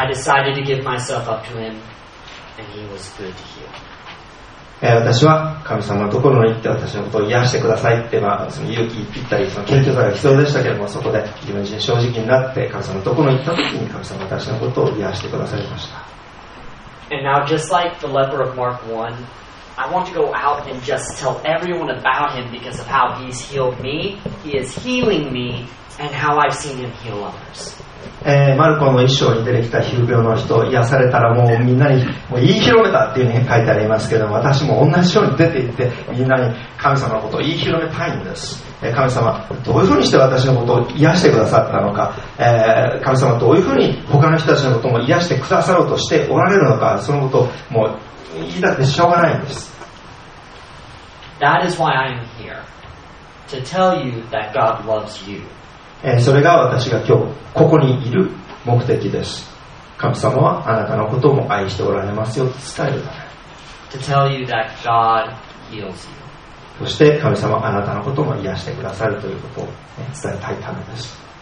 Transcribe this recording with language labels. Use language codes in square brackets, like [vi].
[en] I decided to give myself up to him and he was good to heal. [ja] 私は神様のところに行って私のことを癒してくださいって、まあ、その勇気ぴったりその謙虚さが必要でしたけれどもそこで自分自身正直になって神様のところに行った時に神様は私のことを癒してくださいました。 [en] And now just like the leper of Mark 1, I want to go out and just tell everyone about him because of how he's healed me, he is healing me, and how I've seen him heal others. [ja] マルコの一章に出てきた皮膚病の人癒されたらもうみんなにもう言い広めたっていうふうに書いてありますけど、私も同じように出て行ってみんなに神様のことを言い広めたいんです。神様どういうふうにして私のことを癒してくださったのか、神様どういうふうに他の人たちのことも癒してくださろうとしておられるのか、そのことをもう言いだってしょうがないんです。 [en] That is why I'm here to tell you that God loves you. [ja] それが私が今日ここにいる目的です。神様はあなたのことも愛しておられますよと伝えるため、 [en] to tell you that God heals you. [ja] そして神様あなたのことも癒してくださるということを、ね、伝えたいためです。